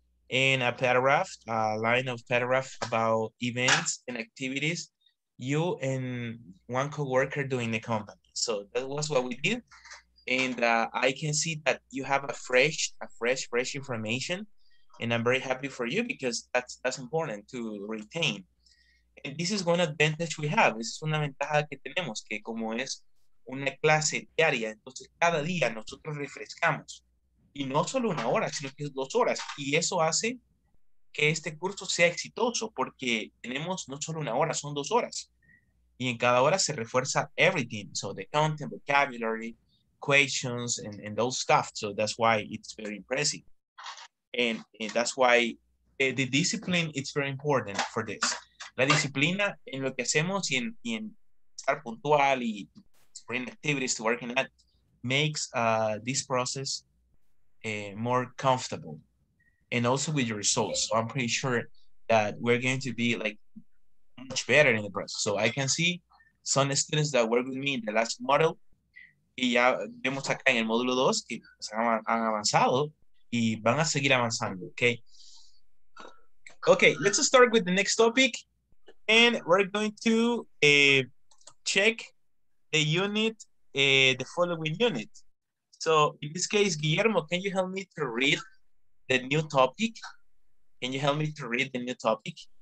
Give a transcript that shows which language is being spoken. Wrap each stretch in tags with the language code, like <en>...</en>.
<en>in a paragraph, a line of paragraph about events and activities you and one coworker doing the company. So that was what we did. And I can see that you have a fresh information. And I'm very happy for you because that's important to retain. And this is one advantage we have.</en> <es>Es una ventaja que tenemos, que como es una clase diaria, entonces cada día nosotros refrescamos. Y no solo una hora, sino que es dos horas. Y eso hace que este curso sea exitoso porque tenemos no solo una hora, son dos horas. Y en cada hora se refuerza everything.</es> <en>So the content, vocabulary, questions, and those stuff. So that's why it's very impressive. And that's why the discipline is very important for this.</en> <es>La disciplina en lo que hacemos y en estar puntual y</es> <en>bring activities to work in that makes this process more comfortable. And also with your results. So I'm pretty sure that we're going to be like much better in the process. So I can see some students that work with me in the last model.</en> <es>Y ya vemos acá en el módulo 2 que han avanzado y van a seguir avanzando, okay?</es> <en>Okay, let's start with the next topic. And we're going to check the unit, the following unit. So in this case, Guillermo, can you help me to read the new topic? Can you help me to read the new topic?</en>